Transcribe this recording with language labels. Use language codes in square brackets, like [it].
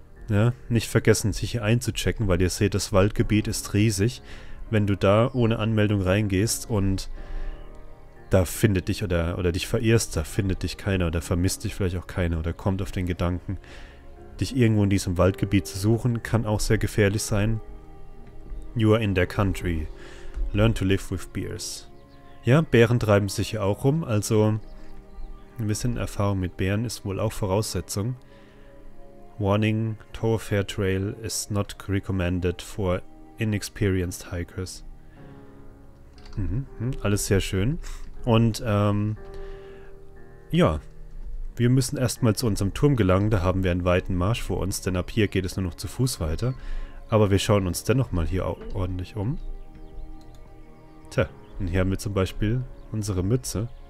[de] Ja, nicht vergessen, sich hier einzuchecken, weil ihr seht, das Waldgebiet ist riesig. Wenn du da ohne Anmeldung reingehst und da findet dich oder dich verirrst, da findet dich keiner oder vermisst dich vielleicht auch keiner oder kommt auf den Gedanken, dich irgendwo in diesem Waldgebiet zu suchen, kann auch sehr gefährlich sein. [en] You are in their country. Learn to live with bears. [de] Ja, Bären treiben sich hier auch rum, also ein bisschen Erfahrung mit Bären ist wohl auch Voraussetzung. [en] Warning, Thoroughfare Trail is not recommended for inexperienced hikers. [de] Alles sehr schön. Und ja, wir müssen erstmal zu unserem Turm gelangen, da haben wir einen weiten Marsch vor uns, denn ab hier geht es nur noch zu Fuß weiter. Aber wir schauen uns dennoch mal hier ordentlich um. Tja, und hier haben wir zum Beispiel unsere Mütze.